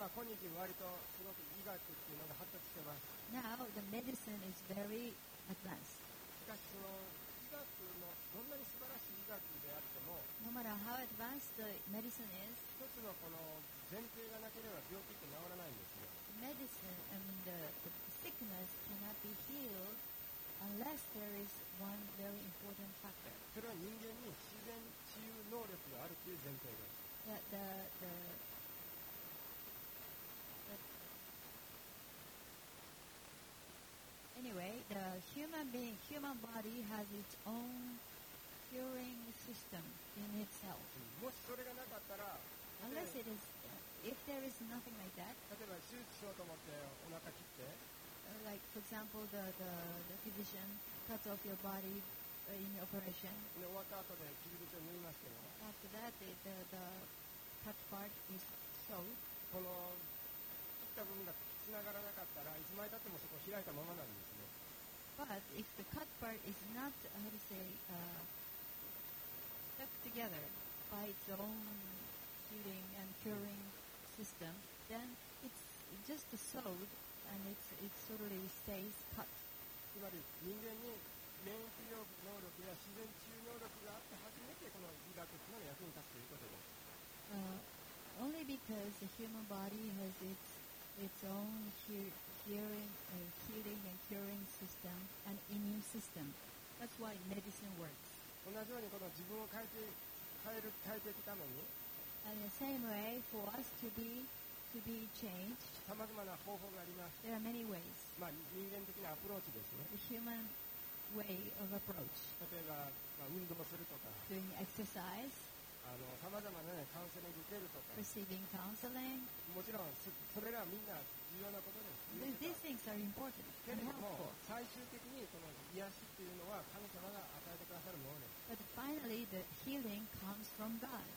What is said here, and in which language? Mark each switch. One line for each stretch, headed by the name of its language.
Japanese: まあ今日割とすごく医学っていうのが発達してます。
English: Now the medicine is very advanced.
Japanese: しかしその医学のどんなに素晴らしい医学であっても、
English: No matter how advanced the medicine is,
Japanese: 一つのこの前提がなければ病気って治らないんですよ。
English: The sickness cannot be healed unless there is one very important factor.
Japanese: それは人間に自然治癒能力があるという前提です。
English: The human body has its own curing system in itself.
Japanese: もしそれがなかったら、
English: unless it is, if there is nothing like that,
Japanese: 例えば手術しようと思ってお腹切って、
English: like for example the physician cuts off your body. In operation.
Japanese: 終わった後で傷口を縫いますけど、
English: After that, the cut part is sewed.
Japanese: この切った部分がつながらなかったら、いつまでたってもそこ開いたままなんですね。
English: But if the cut part is not, how to say, stuck together by its own healing and curing system, then it's just sewed and it totally stays cut.
Japanese: つまり人間に免疫力能力や自然治癒能力があって初めてこの医学というのが役に立つということです。
English: Only because the human body has its own healing and curing system and immune system. That's why medicine works.
Japanese: 同じようにこの自分を変えていくために。
English: And the same way for us to be changed.
Japanese: 様々な方法があります。
English: There are many ways.
Japanese: まあ人間的なアプローチですね。
English: The human way of approach.
Japanese: 例えば、まあ、運動するとか、
English: doing exercise,
Japanese: さまざまな、ね、カウンセリング受けるとか、
English: receiving counseling.
Japanese: もちろん、それらはみんな重要なことです。
English: These things are important.
Japanese: けれども、最終的にこの癒しっていうのは神様が与えてくださるものです。
English: But finally, the healing comes from God.